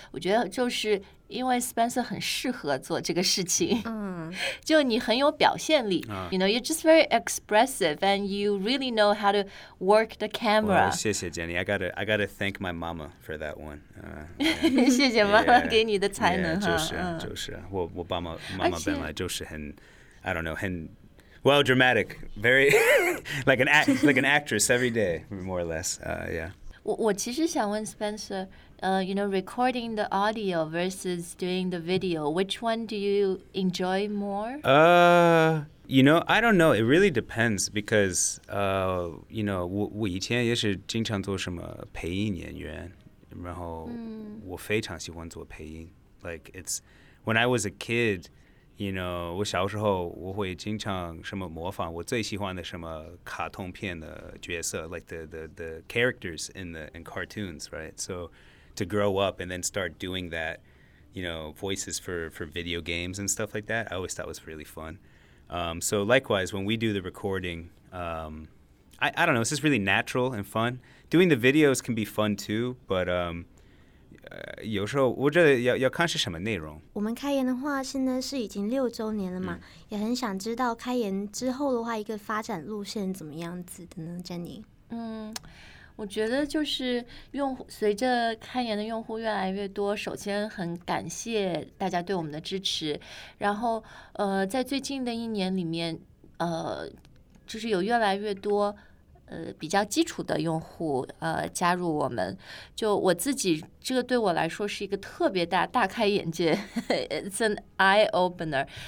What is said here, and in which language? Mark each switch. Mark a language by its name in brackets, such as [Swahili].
[Chinese] 我觉得就是因为 Spencer 很适合做这个事情。就你很有表现力。 [English] You know, you're just very expressive, and you really know how to work the camera. Well, [Chinese] 谢谢 [English] Jenny. I gotta thank my mama for that one. [Chinese] 谢谢妈妈给你的才能。就是，我爸妈妈妈本来就是很。 [English] I don't know, and well, dramatic, very like an actress every day, more or less. Yeah. [Chinese] 我其实想问 [English] Spencer, you know, recording the audio versus doing the video, which one do you enjoy more? You know, I don't know. It really depends because, you know, [Chinese] 我以前也是经常做什么配音演员，然后我非常喜欢做配音。 [English] Like it's when I was a kid. You know, [Chinese] 我小时候我会经常什么模仿我最喜欢的什么卡通片的角色 [English] like the characters in cartoons, right? So to grow up and then start doing that, you know, voices for video games and stuff like that, I always thought was really fun. So likewise, when we do the recording, I don't know, it's just really natural and fun. Doing the videos can be fun too, but... [Chinese] 有时候我觉得 要看是什么内容。我们开言的话现在是已经六周年了嘛，也很想知道开言之后的话一个发展路线怎么样子的呢 Jenny？我觉得就是用随着开言的用户越来越多，首先很感谢大家对我们的支持，然后在最近的一年里面就是有越来越多比较基础的用户加入我们，就我自己这个对我来说是一个特别大开眼界 [English] It's an eye opener。